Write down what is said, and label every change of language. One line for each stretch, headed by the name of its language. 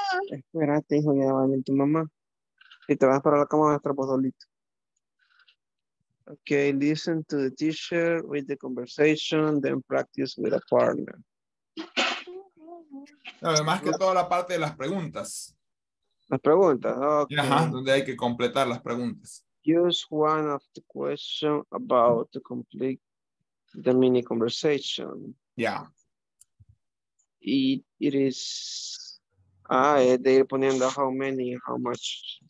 Spanish: Espérate, hijo, ya va a venir tu mamá. Si te vas para la cama, vas a estar vos solito.
English: Okay, listen to the teacher with the conversation, then practice with a partner.
Spanish: No, más que toda la parte de las preguntas. Las preguntas, okay. Ajá, donde hay que completar las preguntas.
English: Use one of the questions about to complete the mini conversation. Yeah. It is...
Spanish: de ir poniendo
English: how many, how much.